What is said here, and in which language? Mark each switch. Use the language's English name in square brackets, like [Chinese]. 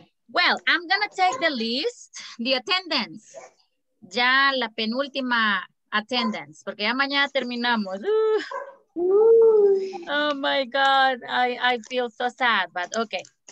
[English] Well, I'm gonna take the list, the attendance. [Spanish] Ya la penúltima attendance, porque ya mañana terminamos. Ooh. [English] Oh my God, I feel so sad, but okay.